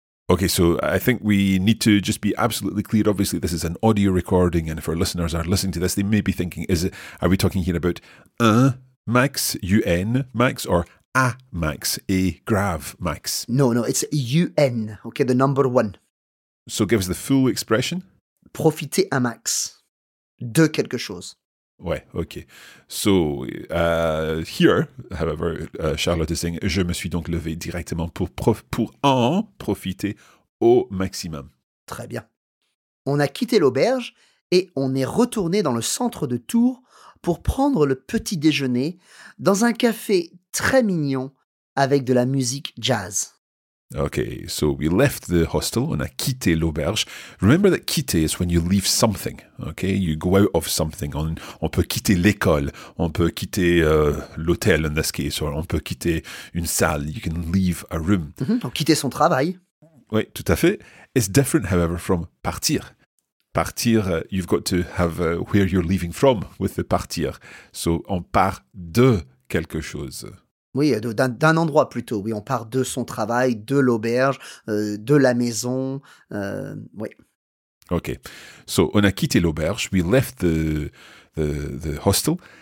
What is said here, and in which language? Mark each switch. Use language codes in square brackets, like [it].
[en] Okay, so I think we need to just be absolutely clear. Obviously, this is an audio recording, and if our listeners are listening to this, they may be thinking, are we talking here about [fr] un max, un max, [en] or a max, a grave max? No, it's un, okay, the number one. So give us the full expression. [fr] Profiter un max de quelque chose. Ouais, [en] okay. So here, however, Charlotte is saying, [fr] je me suis donc levé directement pour en profiter au maximum. Très bien. On a quitté l'auberge et on est retourné dans le centre de Tours pour prendre le petit déjeuner dans un café très mignon avec de la musique jazz. [en] Okay, so we left the hostel, [fr] on a quitté l'auberge. [en] Remember that quitter is when you leave something, okay? You go out of something. [fr] On peut quitter l'école, on peut quitter l'hôtel [en] in this case, or [fr] on peut quitter une salle, [en] you can leave a room. [fr] Mm-hmm. Ou quitter son travail. Oui, tout à fait. [en] It's different, however, from partir. Partir, you've got to have where you're leaving from with the partir. [fr] So on part de quelque chose. Oui, d'un endroit plutôt. Oui, on part de son travail, de l'auberge, de la maison. Oui. [en] OK. So, [fr] on a quitté l'auberge. [en] We left the hostel.